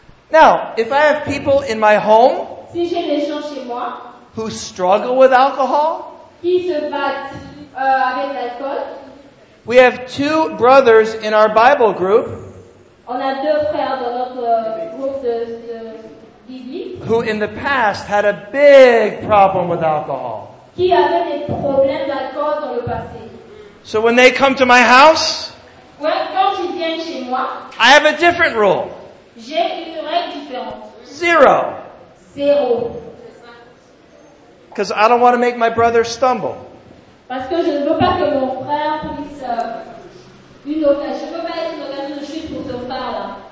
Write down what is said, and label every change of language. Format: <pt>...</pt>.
<en>Now, if I have people in my home,</en> <fr>si j'ai des gens chez moi,</fr> <en>who struggle with alcohol,</en> <fr>qui se battent avec l'alcool,</fr> <en>we have two brothers in our Bible group.</en> <fr>On a deux frères dans notre groupe de</fr> <en>who in the past had a big problem with alcohol.</en> <fr>Qui avait des problèmes d'alcool dans le passé.</fr> <en>So when they come to my house,</en> <fr>quand ils viennent chez moi,</fr> <en>I have a different rule.</en> <fr>J'ai une règle différente.</fr> <en>Zero.</en> <fr>Zéro.</fr> <en>Because I don't want to make my brother stumble.</en> <fr>Parce que je ne veux pas que mon frère puisse une occasion. Je ne veux pas être une occasion de chute pour ce frère-là.</fr>